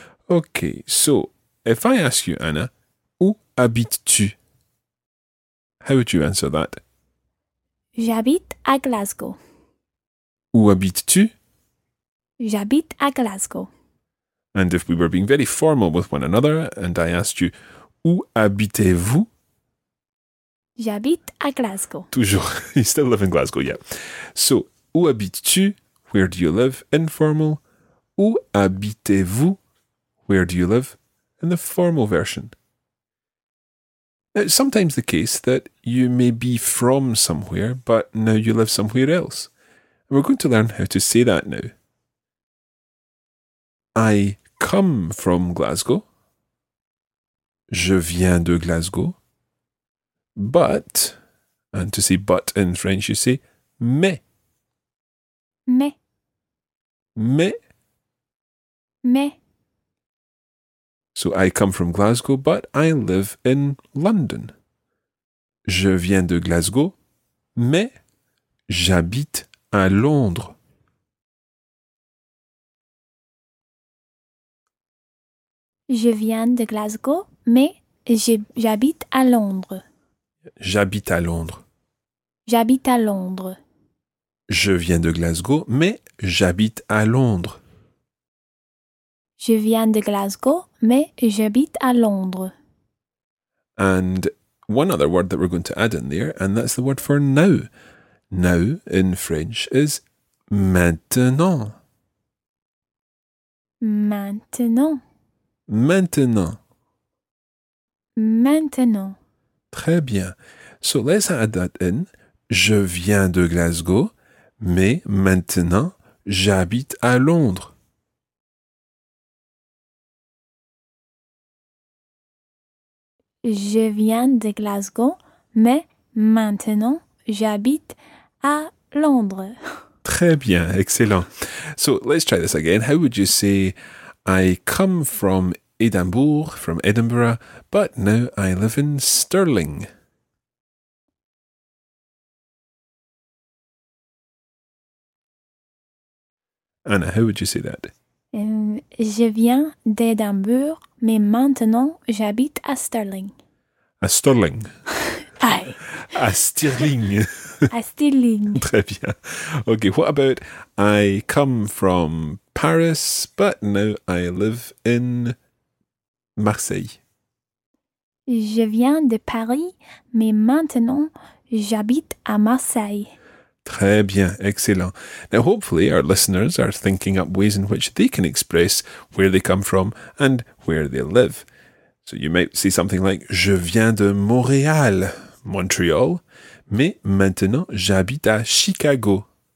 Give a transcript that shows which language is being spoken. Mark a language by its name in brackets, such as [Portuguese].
[English] Okay, so if I ask you, Anna, [French] où habites-tu? [English] How would you answer that? [French] J'habite à Glasgow. Où habites-tu? J'habite à Glasgow. [English] And if we were being very formal with one another and I asked you, [French] où habitez-vous? J'habite à Glasgow. Toujours. [English] You still live in Glasgow, yeah. So, [French] où habites-tu? [English] Where do you live? Informal. [French] Où habitez-vous? [English] Where do you live? In the formal version. It's sometimes the case that you may be from somewhere, but now you live somewhere else. And we're going to learn how to say that now. I come from Glasgow. [French] Je viens de Glasgow. [English] But, and to say but in French, you say mais. [French] Mais. Mais. Mais. [English] So I come from Glasgow, but I live in London. [French] Je viens de Glasgow, mais j'habite à Londres. Je viens de Glasgow, mais j'habite à Londres. J'habite à Londres. J'habite à Londres. Je viens de Glasgow, mais j'habite à Londres. Je viens de Glasgow, mais j'habite à Londres. [English] And one other word that we're going to add in there, and that's the word for now. Now in French is maintenant. [French] Maintenant. Maintenant. Maintenant. Très bien. [English] So let's add that in. [French] Je viens de Glasgow, mais maintenant j'habite à Londres. Je viens de Glasgow, mais maintenant j'habite à Londres. Très bien, [English] excellent. So let's try this again. How would you say, I come from Edinburgh, but now I live in Stirling? Anna, how would you say that? [French] Je viens d'Edimbourg, mais maintenant j'habite à Stirling. À Stirling. [English] Aye. [French] À Stirling. À Stirling. Très bien. [English] Okay, what about I come from Paris, but now I live in Marseille. [French] Je viens de Paris, mais maintenant j'habite à Marseille. Très bien, excellent. [English] Now, hopefully, our listeners are thinking up ways in which they can express where they come from and where they live. So you might say something like, [French] je viens de Montréal, Montreal, mais maintenant j'habite à Chicago.